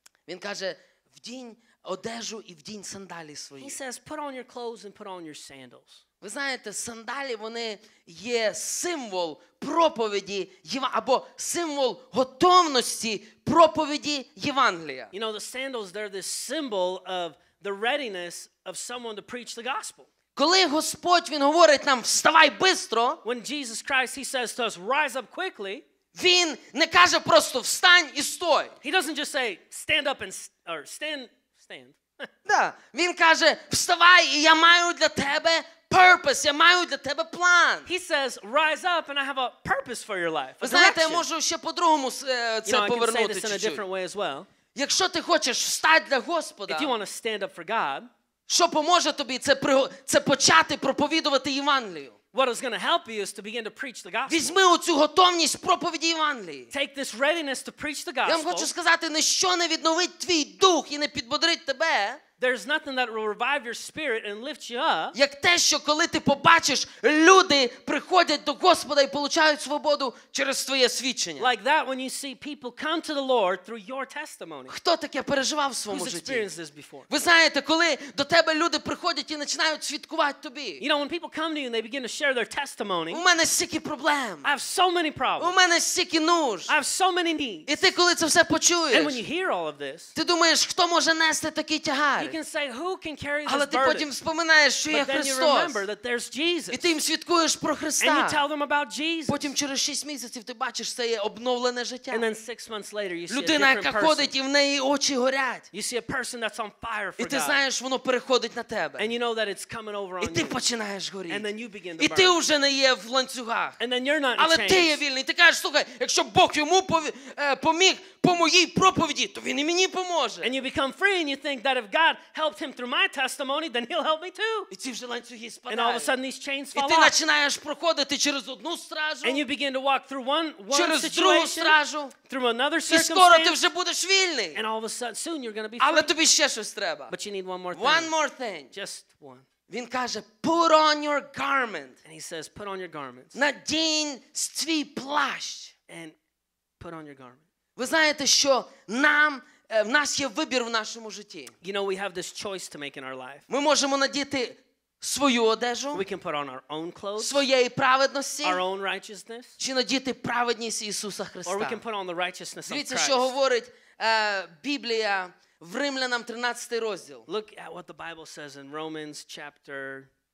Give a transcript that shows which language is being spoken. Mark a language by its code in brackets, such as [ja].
[uk] він каже: "Вдінь одежу і вдінь сандалі свої". [en] He says, "Put on your clothes and put on your sandals." [uk] Ви знаєте, сандалі, вони є символ проповіді або символ готовності проповіді Євангелія. [en] You know, the sandals, they're this symbol of the readiness of someone to preach the gospel. [uk] Коли Господь, він говорить нам: "Вставай швидко", [en] when Jesus Christ, he says to us, "Rise up quickly", [uk] він не каже просто: "Встань і стой". [en] He doesn't just say, "Stand up and or stand stand." [uk] Да, він каже: "Вставай, і я маю для тебе purpose, я маю для тебе план". [en] He says, "Rise up and I have a purpose for your life." [uk] Знаєте, я можу ще по-другому це повернути. [en] You know, I can say this in a different way as well. [uk] Якщо ти хочеш встати для Господа, [en] if you want to stand up for God, [uk] що поможе тобі це почати проповідувати Євангелію? [en] What is going to help you is to begin to preach the gospel. [uk] Візьми оцю готовність проповіді Євангелії. [en] Take this readiness to preach the gospel. [uk] Я вам хочу сказати, ніщо не відновить твій дух і не підбодрить тебе. [en] There's nothing that will revive your spirit and lift you up. [uk] Як те, що коли ти побачиш, люди приходять до Господа і получають свободу через твоє свідчення. [en] Like that when you see people come to the Lord through your testimony. [uk] Хто таке переживав в своєму житті? [en] Who's experienced this before? [uk] Ви знаєте, коли до тебе люди приходять і починають свідкувати тобі. [en] You know, when people come to you and they begin to share their testimony. [uk] У мене стільки проблем. [en] I have so many problems. [uk] У мене стільки нужд. [en] I have so many needs. [uk] І ти коли це все почуєш. [en] And when you hear all of this. [uk] Ти думаєш, хто може нести такий тягар? [en] You can say who can carry this [uk] Але ти потім вспоминаєш, що є Христос. [en] But then you remember that there's Jesus. [uk] І ти їм свідкуєш про Христа. [en] And you tell them about Jesus. [uk] Потім через 6 місяців ти бачиш, це є обновлене життя. [en] And then 6 months later you see [uk] людина, яка ходить, і в неї очі горять. [en] You see a person that's on fire for God. [uk] І ти знаєш, воно переходить на тебе. [en] And you know that it's coming over on you. [uk] І ти починаєш горіти. [en] And then you begin to burn. [uk] І ти вже не є в ланцюгах. [en] And then you're not in chains. [uk] Але ти є вільний. Ти кажеш, слухай, якщо Бог йому поміг по моїй проповіді, то він і мені поможе. [en] And you become free and you think that if God helped him through my testimony, then he'll help me too. [uk] І ці вже ланцюги спадають. [en] And all of a sudden these chains fall off. [uk] І ти починаєш проходити через одну стражу. [en] And you begin to walk through one [uk] через [en] situation, [uk] другу стражу. [en] Through another circumstance. [uk] І скоро ти вже будеш вільний. [en] And all of a sudden soon you're going to be free. [uk] Але тобі ще щось треба. [en] But you need one more thing. One more thing. Just one. [uk] Він каже, [en] put on your garment. And he says, put on your garments. [uk] Надінь свій плащ. [en] And put on your garment. [uk] Ви знаєте, що нам в нас є вибір в нашому житті. [en] You know, we have this choice to make in our life. [uk] Ми можемо надіти свою одежу. [en] We can put on our own clothes. [uk] Своєї праведності. [en] Our own righteousness. [uk] Чи надіти праведність Ісуса Христа. [en] Or we can put on the righteousness of Christ. [uk] Дивіться, що говорить Біблія в Римлянам 13 розділ. [en] Look at what the Bible says in Romans chapter